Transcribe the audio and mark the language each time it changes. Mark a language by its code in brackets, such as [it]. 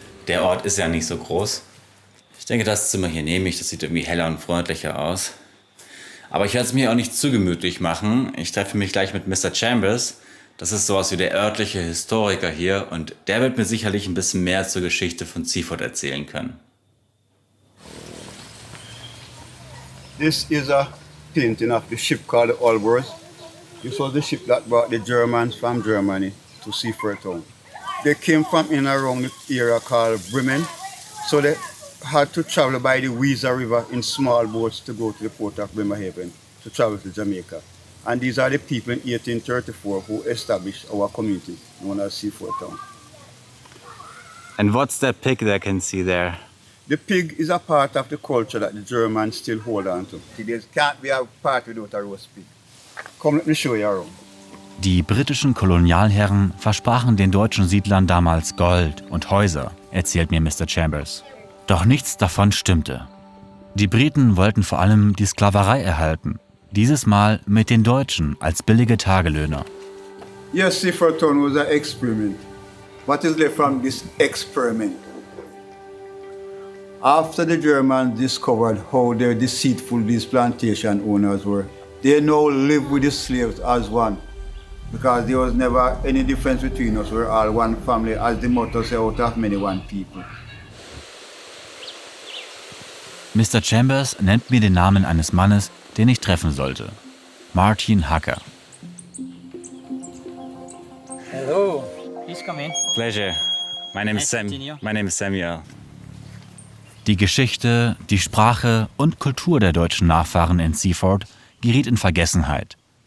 [de] Der Ort ist ja nicht so groß. Ich denke, das Zimmer hier nehme ich. Das sieht irgendwie heller und freundlicher aus. Aber ich werde es mir auch nicht zu gemütlich machen. Ich treffe mich gleich mit Mr. Chambers. Das ist sowas wie der örtliche Historiker hier. Und der wird mir sicherlich ein bisschen mehr zur Geschichte von Seaford erzählen können. [en] This is a painting of the ship called the Allworth. This was the ship that brought the Germans from Germany to Seaford Town. They came from in around the area called Bremen. So they had to travel by the Weser River in small boats to go to the port of Bremerhaven to travel to Jamaica. And these are the people in 1834 who established our community known as Seaford Town. And what's that pig that I can see there? The pig is a part of the culture that the Germans still hold on to. There can't be a part without a roast pig. Come, let me show you around. [de] Die britischen Kolonialherren versprachen den deutschen Siedlern damals Gold und Häuser, erzählt mir Mr. Chambers. Doch nichts davon stimmte. Die Briten wollten vor allem die Sklaverei erhalten. Dieses Mal mit den Deutschen als billige Tagelöhner. [en] Yes, Seaford Town was an experiment. What is left from this experiment? After the Germans discovered how their deceitful these plantation owners were, they now live with the slaves as one. Because there was never any difference between us. We're all one family, as the motto says, out of many one people. [de] Mr. Chambers nennt mir den Namen eines Mannes, den ich treffen sollte. Martin Hacker. [en] Hello, please come in. Pleasure. My name is Sam. My name is Samuel. [de] Die Geschichte, die Sprache und Kultur der deutschen Nachfahren in Seaford geriet in Vergessenheit.